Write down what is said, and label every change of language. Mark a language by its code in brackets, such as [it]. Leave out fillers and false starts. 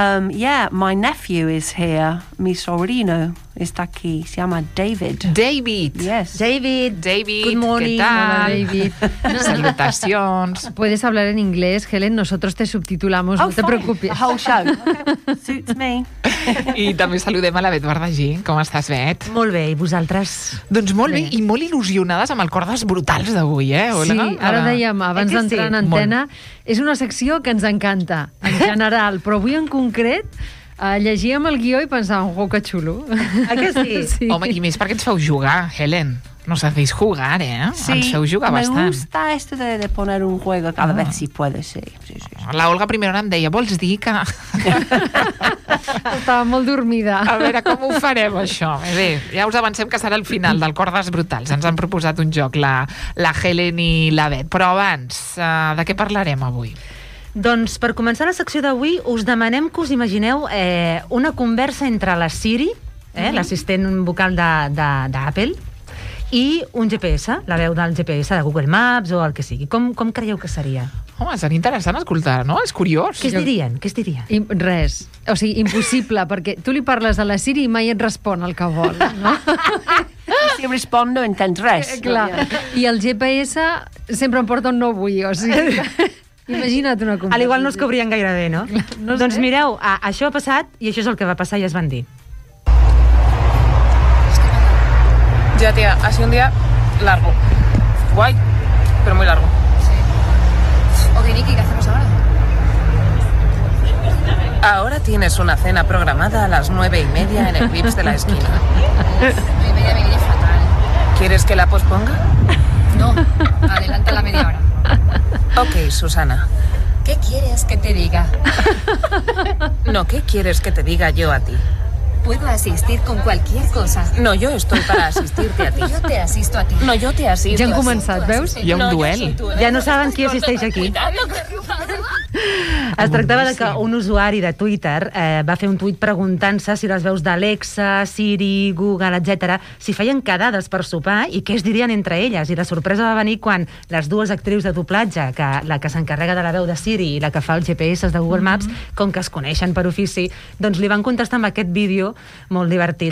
[en] Yeah, my nephew is here. [es] Mi sobrino está aquí. Se llama David. David. [en] Yes. [es] David. David. [en] Good morning. [es] ¿Qué tal? Hola, David. Salutaciones. Puedes hablar en inglés, Helen. Nosotros te subtitulamos. Oh, no te [en] fine. [es] Preocupes. [en] The whole show. Okay. Suits me. [ca] I també saludem a la Bet Bardagí. Com estàs, Bet? Molt bé. I vosaltres? Doncs molt bé. I molt il·lusionades amb el Cordes Brutals d'avui, eh? Hola. Sí, ara dèiem, abans d'entrar en antena, és una secció que ens encanta, en general, però avui en concret llegíem el guió i pensàvem, oh, que xulo. A que sí? Sí? Home, i més perquè ens feu jugar, Helen. [es] Nos hacéis jugar, ¿eh? Sí. [ca] Ens feu jugar [es] me [ca] bastant. [es] Me gusta esto de poner un juego cada vez si puedo, sí. [ca] La Olga primera hora em deia, vols dir que... Estava molt dormida. A veure, com ho farem, això? Bé, ja us avancem que serà el final del Cordes Brutals. Ens han proposat un joc la Helen i la Bet. Però abans, de què parlarem avui? Doncs, per començar la secció d'avui, us demanem que us imagineu una conversa entre la Siri, l'assistent vocal d'Apple, i un GPS, la veu del GPS de Google Maps o el que sigui. Com creieu que seria? Home, seria interessant escoltar, no? És curiós. Què es dirien? Què es dirien? Res. O sigui, impossible, perquè tu li parles a la Siri i mai et respon el que vol, no? I si respon no entens res. Clar. I el GPS sempre em porta on no vull, o sigui... Imagina't una conversa. Al igual no es cobrien gaire bé, no? No doncs sé. Mireu, això ha passat i això és el que va passar i es van dir. [es] Ya, tía, ha sido un día largo. Guay, pero muy largo. Sí. Ok, Nicky, ¿qué hacemos ahora? Ahora tienes una cena programada a las 9:30 en el Vips de la esquina. 9:30 me viene fatal. ¿Quieres que la posponga? No, adelanta la media hora. Ok, Susana. ¿Qué quieres que te diga? No, ¿qué quieres que te diga yo a ti? Puedo asistir con cualquier cosa. No, yo estoy para asistirte a ti. Yo te asisto a ti. No, yo te asisto. [ca] Ja han començat, veus? Hi ha un duel. Ja no saben qui assisteix aquí. Es tractava de que un usuari de Twitter va fer un tuit preguntant-se si les veus d'Alexa, Siri, Google, etc., si feien quedades per sopar i què es dirien entre elles. I la sorpresa va venir quan les dues actrius de doblatge, que la que s'encarrega de la veu de Siri i la que fa els GPS de Google Maps, com que es coneixen per ofici, doncs li van contestar amb aquest vídeo molt divertit.